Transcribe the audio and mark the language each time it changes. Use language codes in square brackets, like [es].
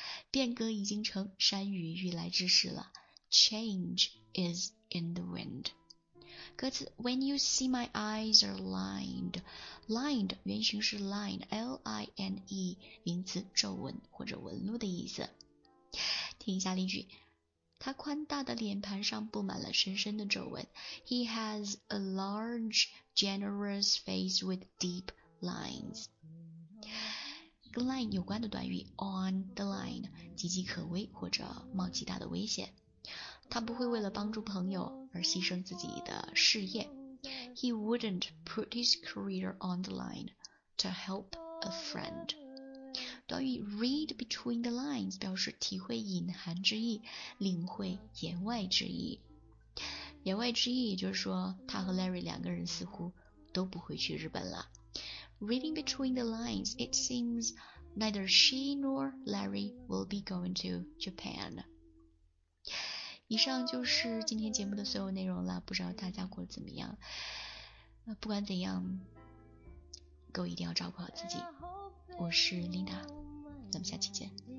[zh] 变革已经成山雨欲来之时了 Change is in the wind 歌词 When you see my eyes are lined 原型是 line L-I-N-E 名词皱纹或者纹路的意思听一下例句他宽大的脸盘上布满了深深的皱纹 He has a large generous face with deep lines 跟 line 有关的短语 on the line 岌岌可危或者冒极大的危险他不会为了帮助朋友而牺牲自己的事业。 [en] He wouldn't put his career on the line to help a friend. [zh] 短语 read between the lines 表示体会隐含之意，领会言外之意。言外之意就是说，他和 Larry 两个人似乎都不会去日本了。 [en] Reading between the lines, it seems neither she nor Larry will be going to Japan. [zh] 以上就是今天节目的所有内容了，不知道大家过得怎么样？不管怎样，各位一定要照顾好自己。我是 Lina， 咱们下期见。